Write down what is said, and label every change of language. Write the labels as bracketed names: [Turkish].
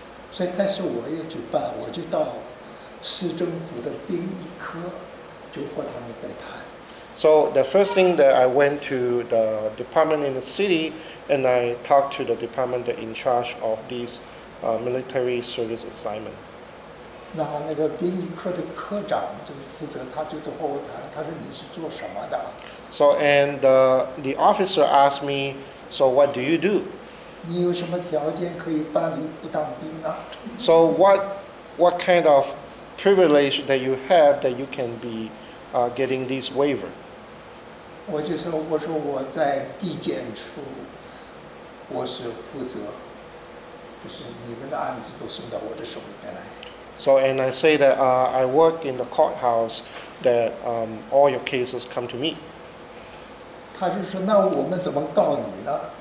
[Chinese] 所以开始我也举办，我就到市政府的殡仪科，就和他们在谈。 [English] So the first thing that I went to the department in the city, and I talked to the department that in charge of these military service assignment. [Chinese] 那个殡仪科的科长就负责，他就在和我谈，他说你是做什么的 [English] ？So and the officer asked me, so what do you do? [Chinese] 你有什么条件可以办理不当兵呢 [English] ？So what kind of privilege that you have that you can be getting this waiver? [Chinese] 我说我在地检处，我是负责，就是你们的案子都送到我的手里面来。 [English] So and I say that I work in the courthouse that all your cases come to me. [Chinese] 他就说那我们怎么告你呢？